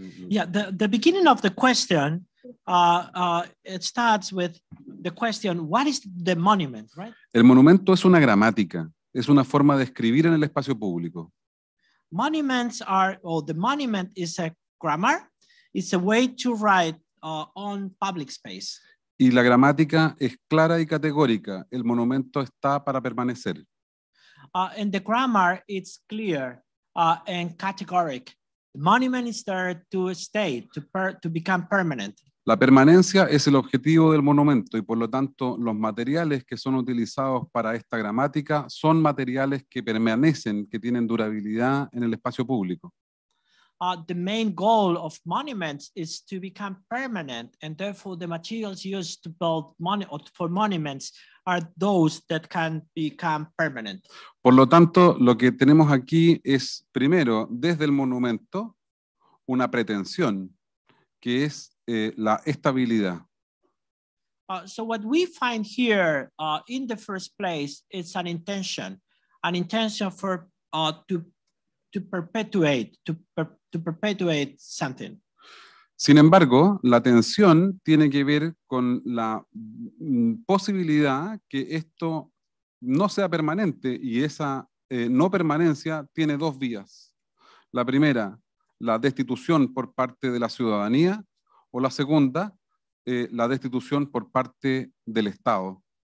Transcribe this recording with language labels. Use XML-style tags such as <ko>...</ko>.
<en>Yeah, the beginning of the question, it starts with the question, what is the monument, right?</en> <es>El monumento es una gramática, es una forma de escribir en el espacio público.</es> <en>Monuments are, or the monument is a grammar, it's a way to write on public space.</en> <es>Y la gramática es clara y categórica, el monumento está para permanecer.</es> <en>And the grammar, it's clear and categoric. The monument is there to stay, to become permanent.</en> <es>La permanencia es el objetivo del monumento y por lo tanto los materiales que son utilizados para esta gramática son materiales que permanecen, que tienen durabilidad en el espacio público.</es> <en>The main goal of monuments is to become permanent, and therefore the materials used to build for monuments are those that can become permanent.</en> <es>Por lo tanto, lo que tenemos aquí es, primero, desde el monumento, una pretensión, que es la estabilidad.</es> <en>So what we find here in the first place is an intention for to perpetuate something.</en> <es>Sin embargo, la tensión tiene que ver con la posibilidad que esto no sea permanente y esa no permanencia tiene dos vías. La primera, la destitución por parte de la ciudadanía, o la segunda, la destitución por parte del Estado.</es>